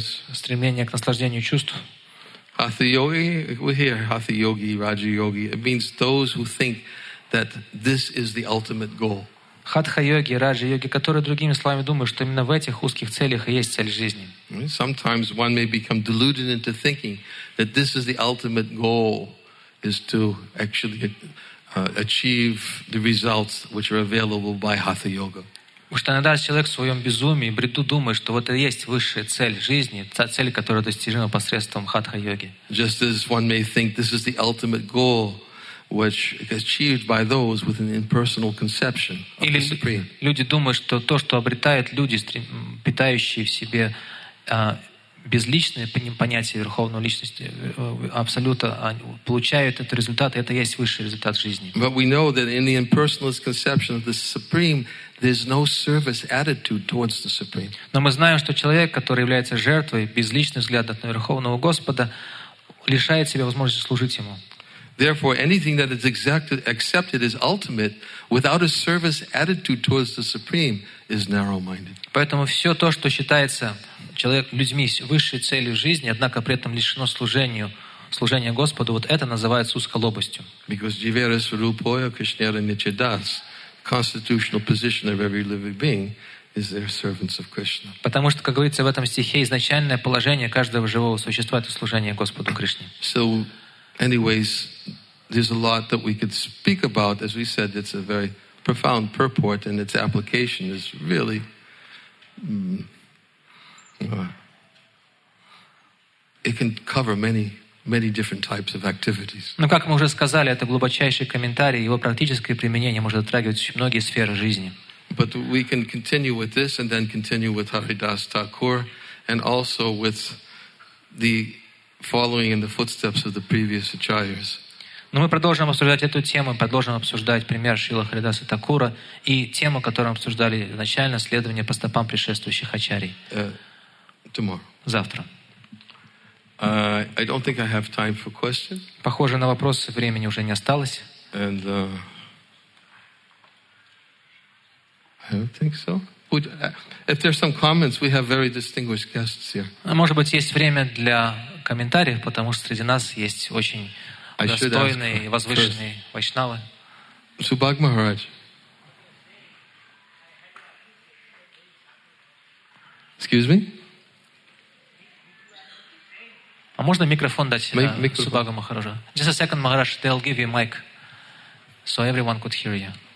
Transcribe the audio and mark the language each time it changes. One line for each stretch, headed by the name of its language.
Russian: стремление к наслаждению чувств.
English: Хатха-йоги, we hear хатха-йоги, раджа-йоги. It means those who think that this is the ultimate goal.
Russian: Хатха-йоги, раджа-йоги, которые другими словами думают, что именно в этих узких целях и есть цель жизни.
English: Sometimes one may become deluded into thinking that this is the ultimate goal, is to actually achieve the results which are available by хатха-йога.
Russian: Потому что иногда человек в своем безумии, бреду думает, что вот это и есть высшая цель жизни, та цель, которая достижима посредством хатха-йоги.
English: Just as one may think this is the ultimate goal which is achieved by those with an impersonal conception of the Supreme.
Russian: Или люди думают, что то, что обретают люди, питающие в себе безличное понятие Верховной Личности, Абсолюта, получают этот результат, и это есть высший результат жизни.
English: But we know that in the impersonalist conception of the Supreme, there's no service attitude towards the Supreme.
Russian: Но мы знаем, что человек, который является жертвой, безличный взгляд от Верховного Господа, лишает себя возможности служить Ему.
English: Therefore, anything that is accepted as ultimate without a service attitude towards the Supreme is narrow-minded.
Russian: Поэтому все то, что считается человек людьми с высшей целью жизни, однако при этом лишено служению, служения Господу, вот это называется узколобостью.
English: Because
Bangla: jivera svarupoya kṛṣṇera nityadas,
English: constitutional position of every living being, is their servants of Krishna.
Russian: Потому что, как говорится в этом стихе, изначальное положение каждого живого существа — это служение Господу Кришне.
English: So, anyways, there's a lot that we could speak about. As we said, it's a very profound purport, and its application is really it can cover many, many different types of activities.
Russian: Но как мы уже сказали, это глубочайший комментарий, его практическое применение может затрагивать очень многие сферы жизни.
English: But we can continue with this, and then continue with Haridas Thakur, and also with the following in the footsteps of the previous acharyas.
Russian: Но мы продолжим обсуждать эту тему, продолжим обсуждать пример Шрилы Харидаса Такура и тему, которую мы обсуждали изначально, следование по стопам предшествующих ачарий.
English: Tomorrow.
Russian: Завтра.
English: I don't think I have time for questions.
Russian: Похоже, на вопросы времени уже не осталось.
English: And I don't think so. If there's some comments, we have very distinguished guests here.
Russian: Может быть, есть время для комментариев, потому что среди нас есть очень достойные и возвышенные вайшнавы. Субхаг Махарадж.
English: Excuse me?
Russian: А можно микрофон дать Субхагу Махараджу?
English: Just a second, Махарадж. They'll give you a mic so everyone could hear you.